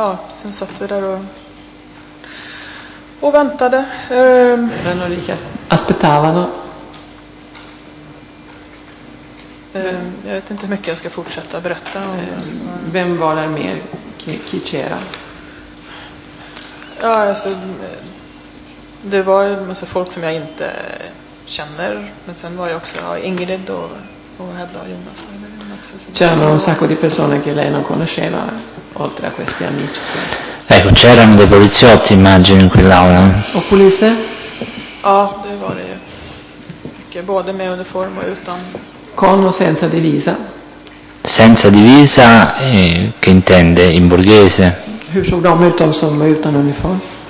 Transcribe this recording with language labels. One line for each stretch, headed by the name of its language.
Swedish: sen satt vi där och väntade.
Italian: Erano lì che aspettavano.
Swedish: Jag vet inte hur mycket jag ska fortsätta berätta om. Vem var där mer?
Italian: Chi c'era?
Swedish: Ja, alltså det var ju massa folk som jag inte känner, men sen var jag också Ingrid och Hedda och Jonas.
Italian: C'erano un sacco di persone che lei non conosceva oltre a questi amici. Ecco, c'erano dei poliziotti, immagino, in quell'aula. O polizia?
Swedish: Ja, det var det ju. Både med uniform och utan.
Italian: Con o senza divisa? Senza divisa, che intende in borghese?
Swedish: Hur såg de ut, de som var utan uniform?